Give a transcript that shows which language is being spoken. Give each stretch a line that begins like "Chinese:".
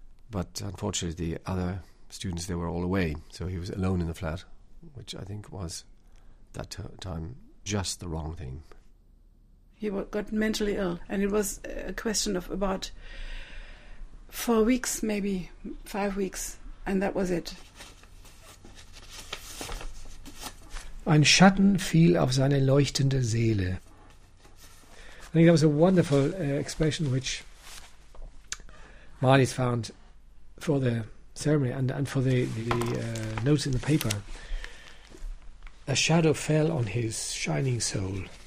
English: But unfortunately, the other students, they were all away, so he was alone in the flat, which I think was, that time, just the wrong thing. He got mentally ill, and it was a question of about 4 weeks, maybe 5 weeks, and that was it.
German: Ein Schatten fiel auf seine leuchtende Seele.
English: I think that was a wonderful expression which Marlies found for the ceremony and for the notes in the paper. A shadow fell on his shining soul.